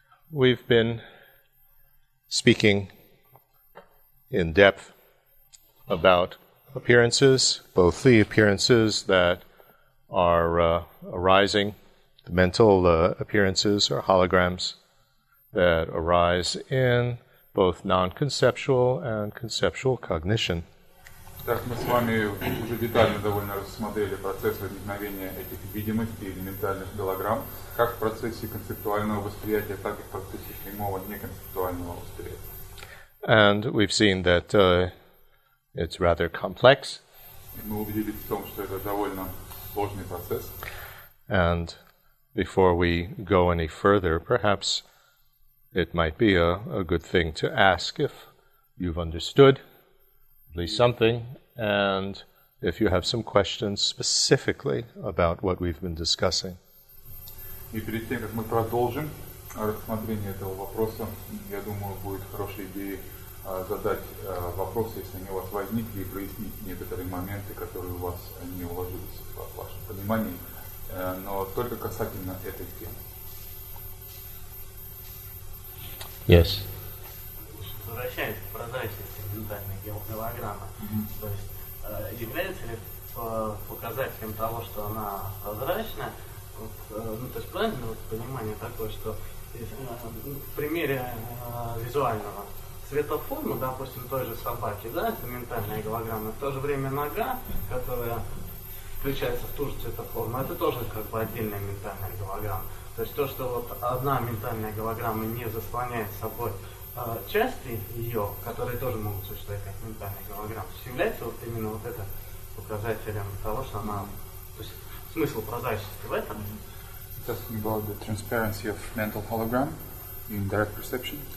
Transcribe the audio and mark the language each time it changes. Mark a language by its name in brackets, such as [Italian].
[English] We've been speaking in depth about appearances, both the appearances that are arising, the mental appearances or holograms that arise in both non-conceptual and conceptual cognition. [Russian] Так мы с вами уже детально довольно рассмотрели процесс возникновения этих видимостей или ментальных голограмм, как в процессе концептуального восприятия, так и в процессе прямого неконцептуального восприятия. [English] And we've seen that it's rather complex. [Russian] И мы убедились в том, что это довольно сложный процесс. [English] And before we go any further, perhaps it might be a good thing to ask if you've understood at least something, and if you have some questions specifically about what we've been discussing. [Russian] И перед тем, как мы продолжим рассмотрение этого вопроса, я думаю, будет хорошей идеей задать вопрос, если они у вас возникли, и прояснить некоторые моменты, которые у вас не уложились в вашем понимании, но только касательно этой темы. [English] Yes. [Russian] Возвращаясь к прозрачности ментальной голограммы, то есть является ли показателем того, что она прозрачна, то есть правильно понимание такое, что в примере визуального светоформы, допустим, той же собаки, да, это ментальная голограмма, в то же время нога, которая включается в ту же цветоформу, это тоже как бы отдельная ментальная голограмма. То есть то, что вот одна ментальная голограмма не заслоняет собой части ее, которые тоже могут существовать как ментальная голограмма, то есть является вот именно вот это показателем того, что она... То есть смысл прозрачности в этом? [English] You're talking about the transparency of mental hologram in direct perception.